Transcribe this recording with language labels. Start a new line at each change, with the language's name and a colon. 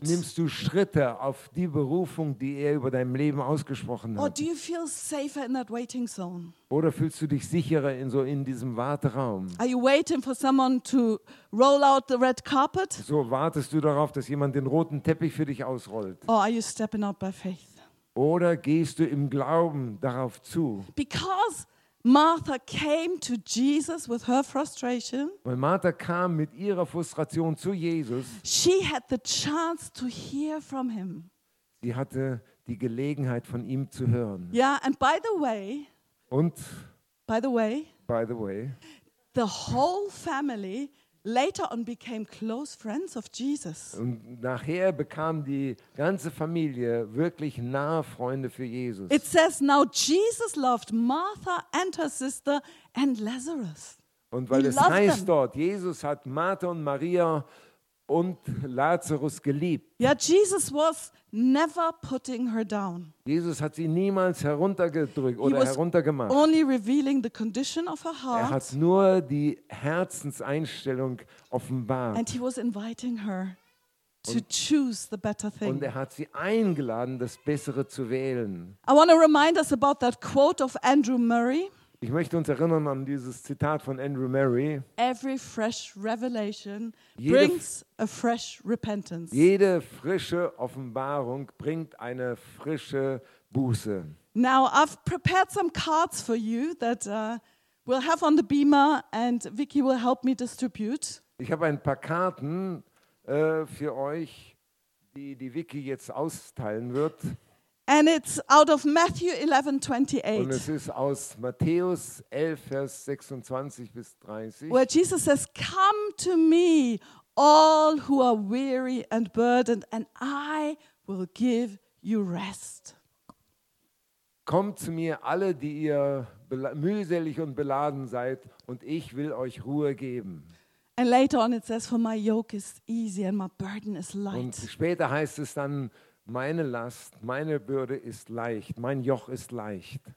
German: Nimmst du Schritte auf die Berufung, die er über deinem Leben ausgesprochen hat?
English: Or do you feel safer in that waiting zone?
German: Oder fühlst du dich sicherer in diesem Warteraum?
English: Are you waiting for someone to roll out the red carpet?
German: So wartest du darauf, dass jemand den roten Teppich für dich ausrollt?
English: Or are you stepping out by faith?
German: Oder gehst du im Glauben darauf zu?
English: Because Martha came to Jesus with her frustration.
German: Weil Martha kam mit ihrer Frustration zu Jesus.
English: She had the chance to hear from him.
German: Sie hatte die Gelegenheit von ihm zu hören.
English: Yeah, and by the way.
German: Und
English: By the way. The whole family later on became close friends of Jesus.
German: Und nachher bekam die ganze Familie wirklich nahe Freunde für Jesus.
English: It says now Jesus loved Martha and her sister and Lazarus.
German: Und weil es heißt dort, Jesus hat Martha und Maria und Lazarus geliebt.
English: Yeah, Jesus was never putting her down.
German: Jesus hat sie niemals heruntergedrückt oder heruntergemacht.
English: Only revealing the condition of her heart.
German: Er hat nur die Herzenseinstellung offenbart.
English: And he was inviting her to choose the better thing.
German: Und er hat sie eingeladen, das Bessere zu wählen.
English: I want to remind us about that quote of Andrew Murray.
German: Ich möchte uns erinnern an dieses Zitat von Andrew Murray.
English: Every fresh revelation brings a fresh repentance.
German: Jede frische Offenbarung bringt eine frische Buße.
English: Now I've prepared some cards for you that we'll have on the beamer and Vicky will help me distribute.
German: Ich habe ein paar Karten für euch, die Vicky jetzt austeilen wird.
English: And it's out of Matthew 11:28.
German: Und es ist aus Matthäus 11, Vers 26 bis 30.
English: Where Jesus says, come to me, all who are weary and burdened, and I will give you rest.
German: Kommt zu mir, alle, die ihr mühselig und beladen seid, und ich will euch Ruhe geben.
English: And later on it says, for my yoke is easy and my burden is light.
German: Und später heißt es dann, meine Last, meine Bürde ist leicht, mein Joch ist leicht.